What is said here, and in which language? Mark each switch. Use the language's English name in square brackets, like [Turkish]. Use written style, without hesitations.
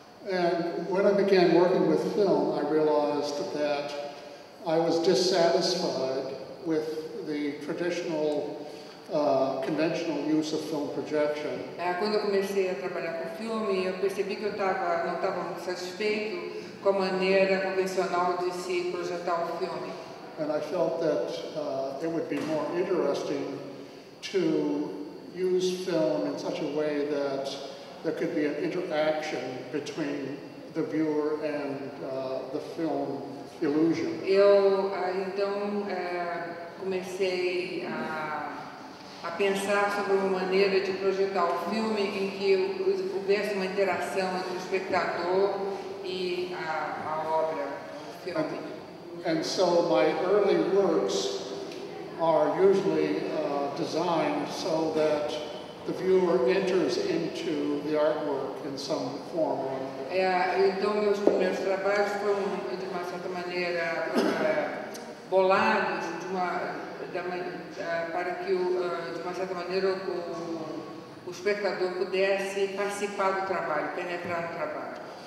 [English] And when I began working with film, I realized that I was dissatisfied with the traditional conventional use of film projection. [Portuguese] Quando eu comecei a trabalhar com filme, eu percebi que não estava muito satisfeito com a maneira convencional de se projetar o filme. [English] And I felt that it would be more interesting to use film in such a way that there could be an interaction between the viewer and the film illusion. [Portuguese] Eu então comecei a pensar sobre uma maneira de projetar o filme em que houvesse uma interação entre o espectador e a obra, o filme. [English] And so my early works are usually designed so that the viewer enters into the artwork in some form or another. [Portuguese] Então meus primeiros trabalhos foram de uma certa maneira bolados de uma para que de uma certa maneira o espectador pudesse participar do trabalho, penetrar no trabalho.